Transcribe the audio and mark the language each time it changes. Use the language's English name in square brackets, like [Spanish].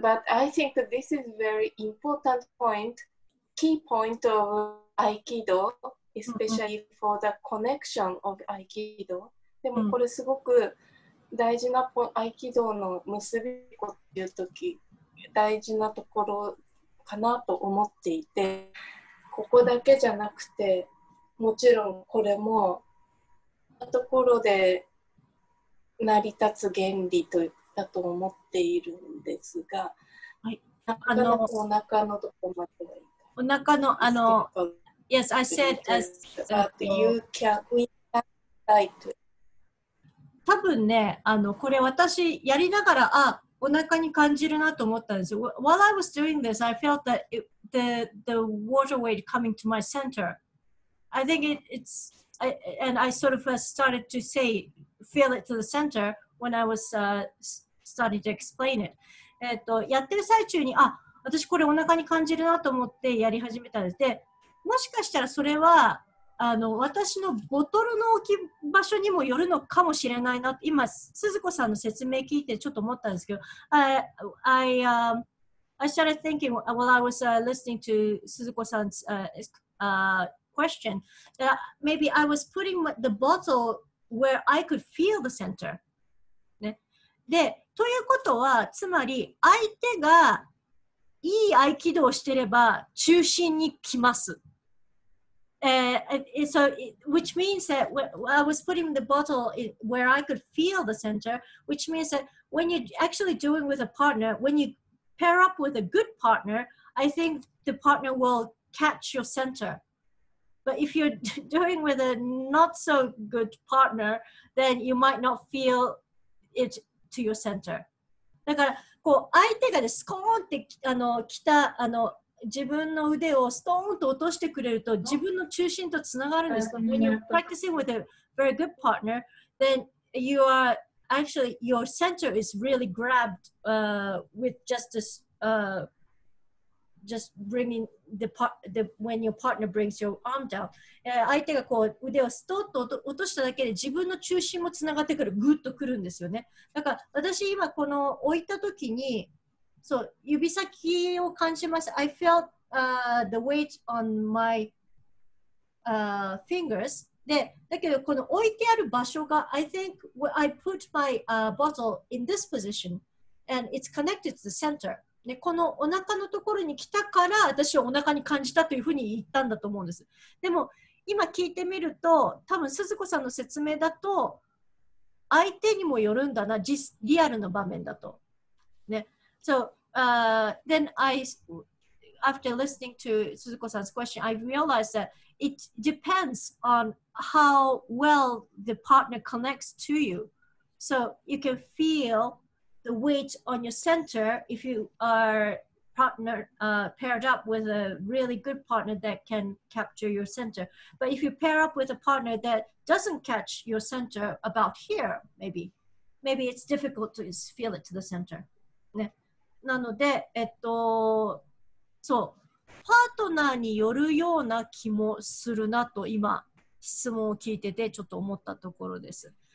[English] But I think that this is very important point, key point of Aikido. Especially for the connection of Aikido. [Japanese] でもこれすごく大事な Aikido の結び子っていうとき大事なところかなと思っていて、ここだけじゃなくて、もちろんこれもところで成り立つ原理だと思っているんですが、はい、お腹のどこまでは、お腹の [English] Yes, I said as you can try to. [Japanese] 多分ね、これ私やりながら、あ、お腹に感じるなと思ったんですよ。 [English] While I was doing this, I felt that the water weight coming to my center. I think I sort of started to say, feel it to the center when I was starting to explain it. [Japanese] やってる最中に、あ、私これお腹に感じるなと思ってやり始めたんです。でもしかしたらそれはあの私のボトルの置き場所にもよるのかもしれないな、今鈴子さんの説明聞いてちょっと思ったんですけど、 [English] I started thinking while I was listening to 鈴子さん question that maybe I was putting the bottle where I could feel the center、 [Japanese] ね、でということはつまり相手がいい合気道をしてれば中心に来ます。 [English] So, which means that I was putting the bottle where I could feel the center, which means that when you're actually doing with a partner, when you pair up with a good partner, I think the partner will catch your center. But if you're doing with a not so good partner, then you might not feel it to your center. [Japanese] だからこう相手がスコーンってあの来た、あの自分の腕をストーンと落としてくれると自分の中心とつながるんですか。 [English] When you're practicing with a very good partner, then you are actually your center is really grabbed with just this, just bringing the when your partner brings your arm down. [Japanese] 相手がこう腕をストーンと落としただけで自分の中心もつながってくる、グッとくるんですよね。だから私今この置いた時にそう指先を感じます。 [English] I felt、the weight on my、fingers. [Japanese] で、だけどこの置いてある場所が、 [English] I think I put my、bottle in this position and it's connected to the center. [Japanese] で、このお腹のところに来たから私はお腹に感じたというふうに言ったんだと思うんです。でも今聞いてみると、多分鈴子さんの説明だと相手にもよるんだな、リアルの場面だと。ね。 [English] So, then I, after listening to Suzuko-san's question, I realized that it depends on how well the partner connects to you. So you can feel the weight on your center if you are partner, paired up with a really good partner that can capture your center. But if you pair up with a partner that doesn't catch your center about here, maybe it's difficult to feel it to the center. Yeah. [Japanese] なので、そう、パートナーによるような気もするなと今質問を聞いててちょっと思ったところです。